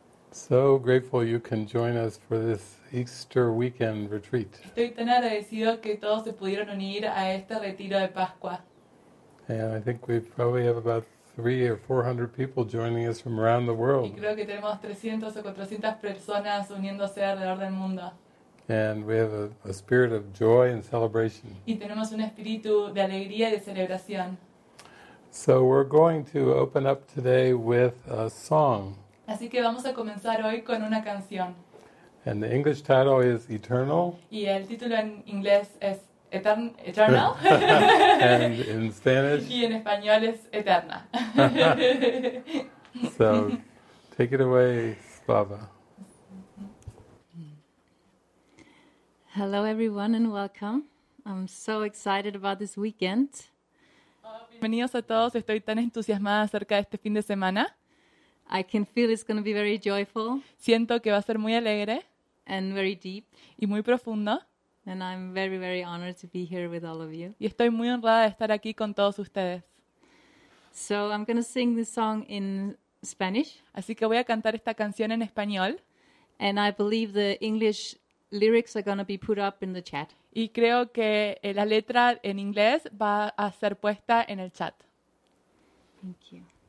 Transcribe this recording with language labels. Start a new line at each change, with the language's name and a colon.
English: So grateful you can join us for this Easter weekend retreat.
Spanish: Estoy tan agradecido que todos se pudieron unir a este retiro de Pascua.
English: And I think we probably have about 300 or 400 people joining us from around the world.
Spanish: Y creo que tenemos 300 o 400 personas uniéndose alrededor del mundo.
English: And we have a spirit of joy and celebration.
Spanish: Y tenemos un espíritu de alegría y de celebración.
English: So we're going to open up today with a song.
Spanish: Así que vamos a comenzar hoy con una canción.
English: And the English title is Eternal.
Spanish: Y el título en inglés es Eternal.
English: And in Spanish.
Spanish: Y en español es Eterna.
English: So take it away, Slava. Hello everyone and welcome. I'm so excited about this weekend.
Spanish: Bienvenidos a todos. Estoy tan entusiasmada acerca de este fin de semana.
English: I can feel it's going to be very joyful.
Spanish: Siento que va a ser muy alegre.
English: And very deep.
Spanish: Y muy profundo.
English: And I'm very, very honored to be here with all of you.
Spanish: Y estoy muy honrada de estar aquí con todos ustedes.
English: So I'm going to sing this song in Spanish.
Spanish: Así que voy a cantar esta canción en español.
English: And I believe the English lyrics are going to be put up in the chat.
Spanish: Y creo que la letra en inglés va a ser puesta en el chat.
English: Thank you.